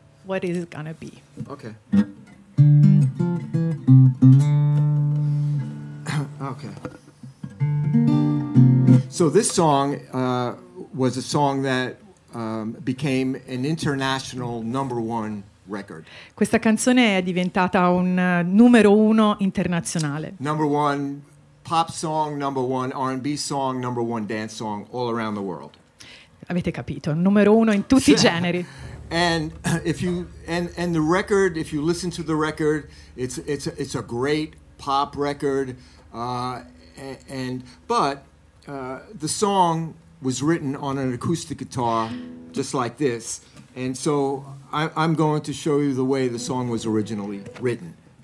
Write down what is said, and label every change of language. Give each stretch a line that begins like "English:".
English: What is it going to be? Okay. Okay. So this song was a song that became an international number one record.
Italian: Questa canzone è diventata un numero uno internazionale.
English: Number one pop song, number one R&B song, number one dance song all around the world.
Italian: Avete capito, numero uno in tutti i generi.
English: And if you and the record, if you listen to the record, it's a great pop record. The song was written on an acoustic guitar, just like this. And so I'm going to show you the way the song was originally written.